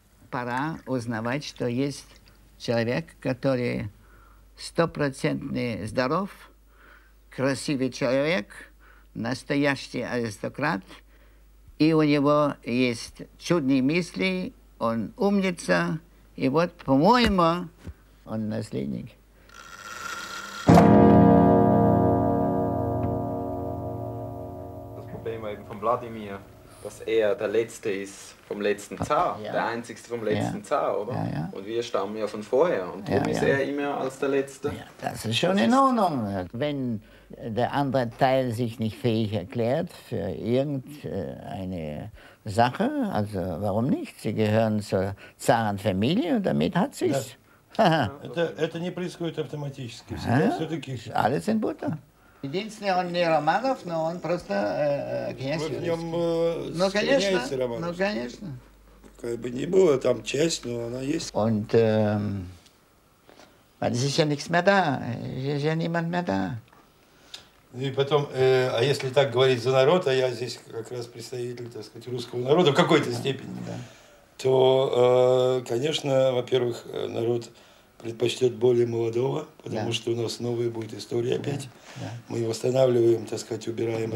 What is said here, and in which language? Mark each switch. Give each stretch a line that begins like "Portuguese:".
Russian: Пора узнавать, что есть человек, который стопроцентно здоров, красивый человек, настоящий аристократ, и у него есть чудные мысли, он умница, и вот, по-моему, он наследник.
German: Das Problem war eben von Wladimir, dass der letzte ist vom letzten Zar, der einzigste vom letzten Zar, oder? Ja, ja. Und wir stammen ja von vorher, und darum ist immer als der letzte. Ja, das ist schon in Ordnung, wenn der andere Teil sich nicht fähig erklärt für irgendeine Sache, also warum nicht? Sie gehören zur Zarenfamilie und damit hat sie es.
Russian: Это не происходит автоматически. Все-таки.
German: Alles in Butter.
Russian: Единственный он не Романов, но он просто князь. В нем соединяется Романов. Ну, конечно. Как бы не было там часть, но она есть.
German: Und, weil es ist ja nichts mehr da. Es ist ja niemand mehr da.
Russian: И потом, а если так говорить за народ, а я здесь как раз представитель, так сказать, русского народа в какой-то степени, да. То, конечно, во-первых, народ предпочтет более молодого, потому да. что у нас новая будет история опять. Да. Мы восстанавливаем, так сказать, убираем да.